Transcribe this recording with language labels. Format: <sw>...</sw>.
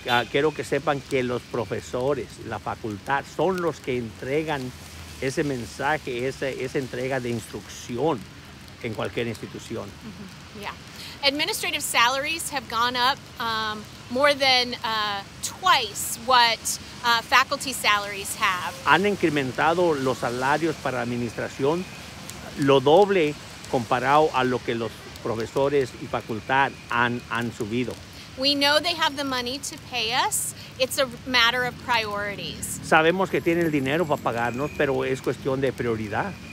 <es>Quiero que sepan que los profesores, la facultad, son los que entregan ese mensaje, esa entrega de instrucción en cualquier institución. Mm-hmm. Yeah.</es> <en>Administrative salaries have gone up more than twice what faculty salaries have.</en> <es>Han incrementado los salarios para administración lo doble comparado a lo que los profesores y facultad han subido.</es> <en>We know they have the money to pay us. It's a matter of priorities.</en> <es>Sabemos que tienen el dinero para pagarnos, pero es cuestión de prioridad.</es>